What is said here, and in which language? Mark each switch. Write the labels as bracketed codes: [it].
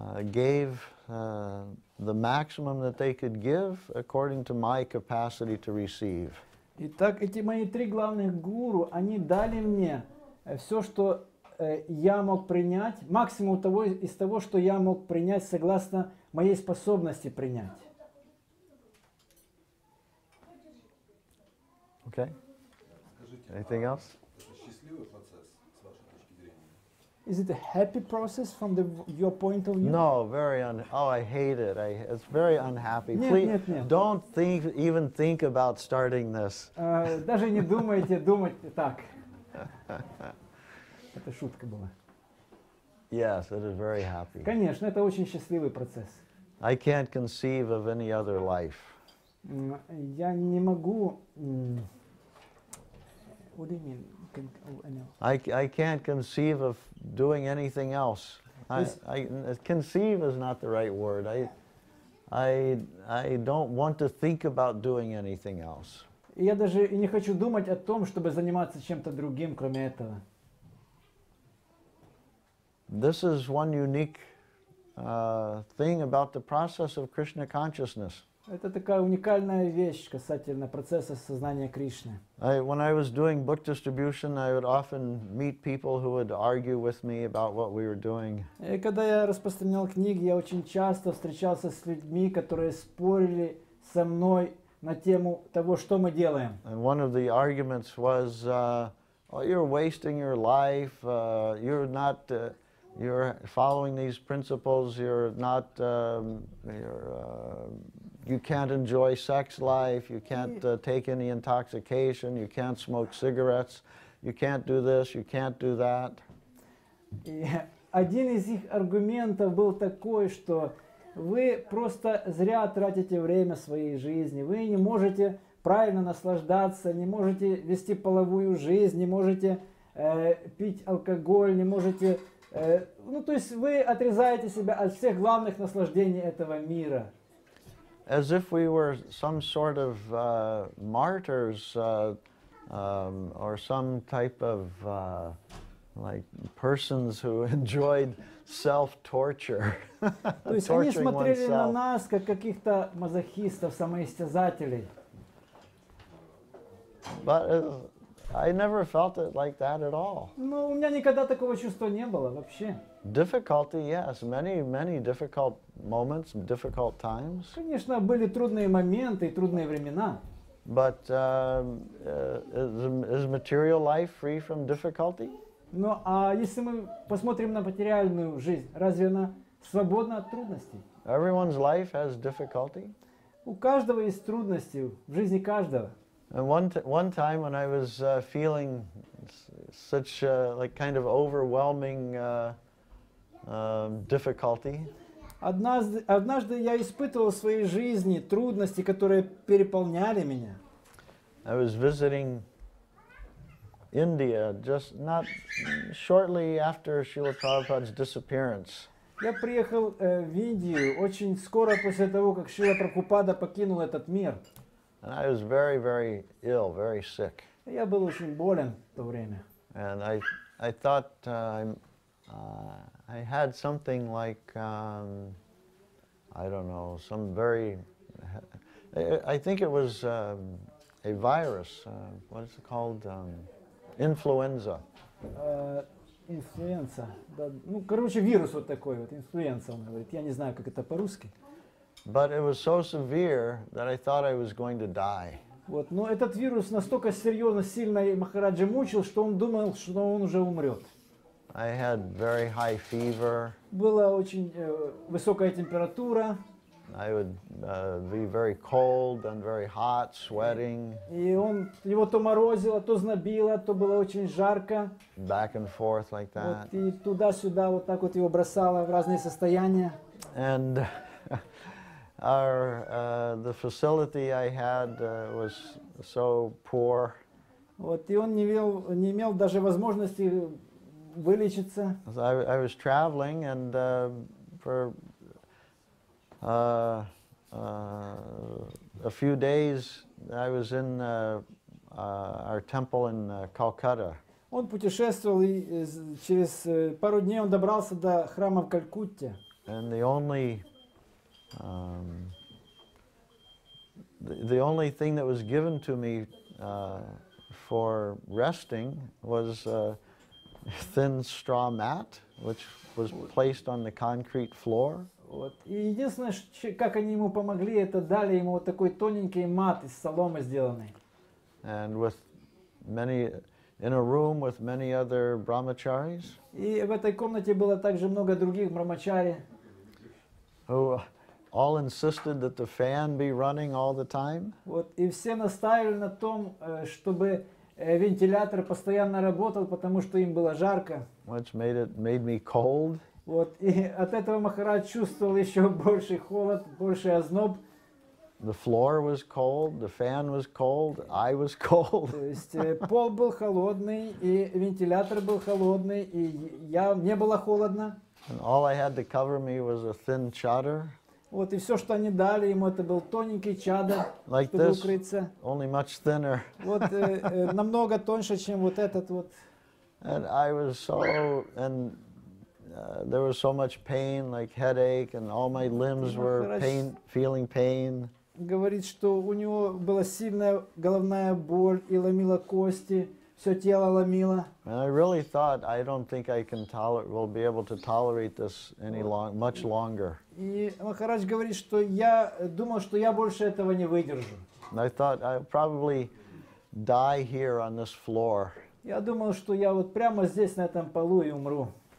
[en] gave the maximum that they could give according to my capacity to receive. [ru] Итак, эти мои три главных гуру, они дали мне все, что я мог принять, максимум того, из того, что я мог принять, согласно моей способности принять. [en] Okay. Anything else? Is it a happy process from the your point of view? No, very it's very unhappy. Please, don't even think about starting this. [ru] Даже не думайте думать так. Это шутка была. [en] Yes, it is very happy. [ru] Конечно, это очень счастливый процесс. [en] I can't conceive of any other life. [ru] Я не могу. [en] What do you mean? I can't conceive of doing anything else. Conceive is not the right word. I don't want to think about doing anything else. [ru] Я даже не хочу думать о том, чтобы заниматься чем-то другим, кроме этого. [en] This is one unique thing about the process of Krishna consciousness. [ru] Это такая уникальная вещь касательно процесса сознания Кришны. [en] When I was doing book distribution, I would often meet people who would argue with me about what we were doing. [ru] И когда я распространял книги, я очень часто встречался с людьми, которые спорили со мной на тему того, что мы делаем. [en] And one of the arguments was, you're wasting your life, you're following these principles, you can't enjoy sex life, you can't take any intoxication, you can't smoke cigarettes, you can't do this, you can't do that. [ru] И один из их аргументов был такой, что вы просто зря тратите время своей жизни, вы не можете правильно наслаждаться, не можете вести половую жизнь, не можете пить алкоголь, не можете... то есть вы отрезаете себя от всех главных наслаждений этого мира. [en] As if we were some sort of martyrs or some type of like persons who enjoyed self-torture. [ru] То есть они смотрели на нас как каких-то мазохистов, самоистязателей. [en] But I never felt it like that at all. [ru] Ну, у меня никогда такого чувства не было вообще. [en] Difficulty, yes, many, many difficult moments, difficult times. [ru] Конечно, были трудные моменты и трудные времена. [en] But is material life free from difficulty? [ru] Ну, а если мы посмотрим на материальную жизнь, разве она свободна от трудностей? [en] Everyone's life has difficulty. [ru] У каждого есть трудности в жизни каждого. [en] And one time when I was feeling such like kind of overwhelming difficulty. [ru] Однажды я испытывал в своей жизни трудности, которые переполняли меня. [en] I was visiting India just not shortly after Srila Prabhupada's disappearance. [ru] Я приехал в Индию очень скоро после того, как Шрила Прабхупада покинул этот мир. [en] And I was very, very ill, very sick. [ru] Я был очень болен в то время. [en] And I thought I had something like I don't know, some very I think it was a virus. What is it called? Influenza. Influenza. [ru] Да, ну, короче, вирус вот такой вот, инфлюенса, он говорит. Я не знаю, как это по-русски. [en] But it was so severe that I thought I was going to die. [ru] Вот, но этот вирус настолько серьезно, сильно Махараджа мучил, что он думал, что он уже умрет. [en] I had very high fever. [ru] Была очень высокая температура. [en] I would be very cold and very hot, sweating. [ru] И он, его то морозило, то знобило, то было очень жарко. [en] Back and forth like that. [ru] Вот, и туда-сюда вот так вот его бросало в разные состояния. [en] And our the facility I had was so poor. [ru] Вот и он не имел даже возможности вылечиться. [en] I was traveling and for a few days I was in our temple in Calcutta. [ru] Он путешествовал и через пару дней он добрался до храма в Калькутте. [en] And the only the only thing that was given to me for resting was a thin straw mat, which was placed on the concrete floor. [ru] Вот. И единственное, как они ему помогли, это дали ему вот такой тоненький мат из соломы сделанный. [en] And with many in a room with many other brahmacharis. [ru] И в этой комнате было также много других брахмачари. [en] Who all insisted that the fan be running all the time? [ru] Вот, и все настаивали на том, чтобы вентилятор постоянно работал, потому что им было жарко. [en] Which made me cold. [ru] Вот, и от этого Махарадж чувствовал еще больший холод, больше озноб. [en] The floor was cold, the fan was cold, I was cold. [ru] То есть пол был холодный, и вентилятор был холодный, и я мне было холодно. [en] And all I had to cover me was a thin chadar. [ru] Вот и все, что они дали ему, это был тоненький чадар, [en] like [ru] чтобы [en] this, [ru] укрыться. [en] Only much thinner. [ru] Вот намного тоньше, чем вот этот вот. [en] And I was so and there was so much pain, like headache, and all my limbs were pain, feeling pain. [ru] Говорит, что у него была сильная головная боль и ломило кости, все тело ломило. [en] And I really thought, I don't think I can will be able to tolerate this any long, much longer. [ru] И Махарадж говорит, что я думал, что я больше этого не выдержу. [en] And I thought I'll probably die here on this floor. [ru] Я думал, что я вот прямо здесь на этом полу и умру.